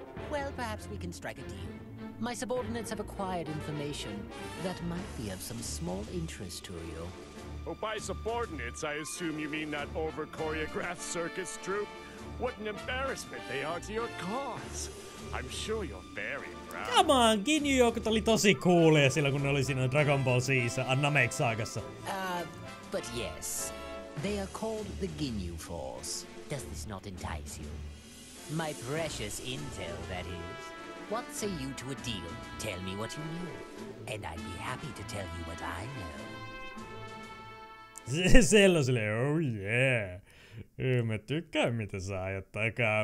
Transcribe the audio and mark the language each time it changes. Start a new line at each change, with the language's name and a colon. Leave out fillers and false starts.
English: Well, perhaps we can strike a deal. My subordinates have acquired information that might be of some small interest to you. Oh, by subordinates, I assume you mean that over-choreographed circus troupe? What an embarrassment they are to your cause. I'm sure you're very proud. Come on,
Finnish: Ginyu Yokot oli tosi coolia silloin, kun ne oli siinä Dragon Ball Z:ssä Namek-saagassa.
English: But yes, they are called the Ginyu Force. Does this not entice you? My precious intel, that is. What say you to a deal? Tell me what you know. And I'd be happy to tell you what I know.
Finnish: Sella sille,
English: oh yeah.
Finnish: Mä tykkään, mitä sä ajat takaa.